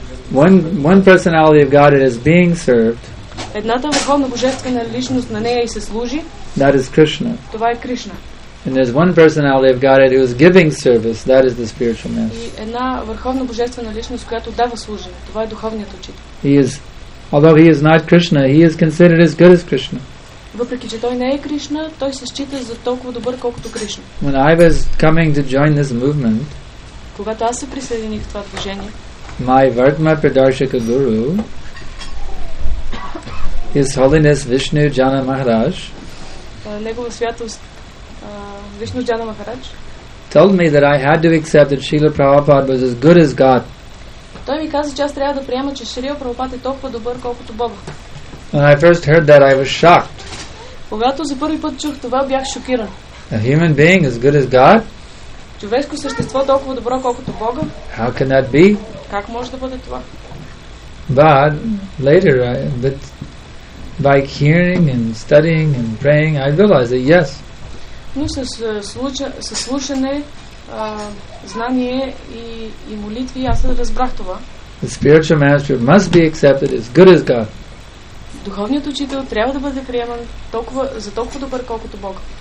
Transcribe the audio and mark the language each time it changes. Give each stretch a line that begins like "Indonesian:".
English: One personality of Godhead is being served.
Bulgarian: Едната върховна божествена личност на нея и се служи.
English: That is Krishna.
Bulgarian: Това е Кришна.
English: And there's one personality of Godhead who is giving service. That is the spiritual man.
Bulgarian: И една върховна божествена личност, която дава служене. Това е духовният учител.
English: He is, although he is not Krishna, he is considered as good as Krishna.
Bulgarian: Въпреки че той не е Кришна, той се счита за толкова добър, колкото Кришна.
English: When I was coming to join this movement,
Bulgarian: когато аз се присъединих в това движение,
English: my Vartma Pradarshaka Guru, His Holiness Vishnu Jana Maharaj,
Bulgarian: Негова святост Вишну Джана Махарадж,
English: told me that I had to accept that Srila Prabhupada was as good as God.
Bulgarian: Той ми каза, че аз трябва да приема, че Шрила Прабхупад е толкова добър, колкото Бог.
English: When I first heard that, I was shocked.
Bulgarian: Когато за първи път чух това, бях шокиран.
English: A human being as good as God?
Bulgarian: Човешко същество толкова добро, колкото Бог?
English: How can that be?
Bulgarian: Как може да бъде това?
English: But later, but by hearing and studying and praying, I realized that yes.
Bulgarian: Но с слушане, знание и молитви, аз разбрах това.
English: The spiritual master must be accepted as good as God.
Bulgarian: Духовният учител трябва да бъде приеман за толкова добър, колкото Бог.